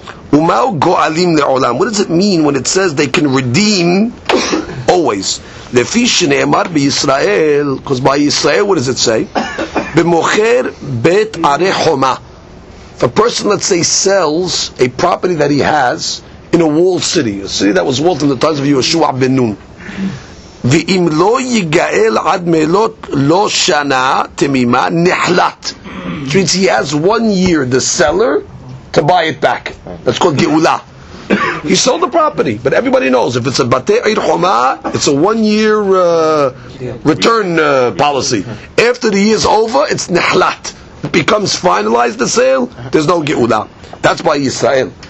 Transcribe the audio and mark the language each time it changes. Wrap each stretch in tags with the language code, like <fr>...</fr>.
<he>Umahu Goalim Le'olam.</he> <en>What does it mean when it says they can redeem always?</en> <he>לפי שנאמר בישראל,</he> <en>because by Israel, what does it say?</en> <he>במוכר בית ערי חומה.</he> <en>If a person, let's say, sells a property that he has in a walled city, a city that was walled in the times of Yeshua ben Nun.</en> <he>ואם לא יגאל עד מלות לא שנה תמימה, נחלט.</he> <en>It means he has 1 year, the seller, to buy it back. That's called geula. He sold the property, but everybody knows if it's a batei ir choma, it's a 1 year return policy. After the year's over, it's nehlat. It becomes finalized, the sale, there's no geula. That's by Yisrael.</en>